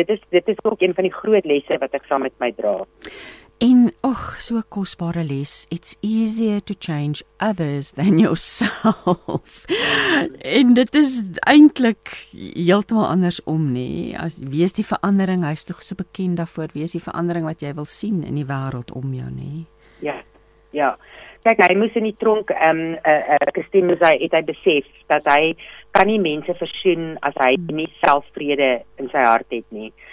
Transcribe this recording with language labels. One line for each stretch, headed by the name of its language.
Afrikaans: Dit is ook een van die groot lesse wat ek saam met my dra. En, so kosbare les,
English: it's easier to change others than yourself.
Afrikaans: En dit is eintlik heeltemal andersom, nie? As, wees die verandering, hy is toch so bekend daarvoor, wees die verandering wat jy wil sien in die wêreld om jou, nie? Ja. Kijk, hy moes in die tronk, Christine Mosey, het hy besef dat hy kan nie mense versoen as hy nie selfvrede in sy hart het nie.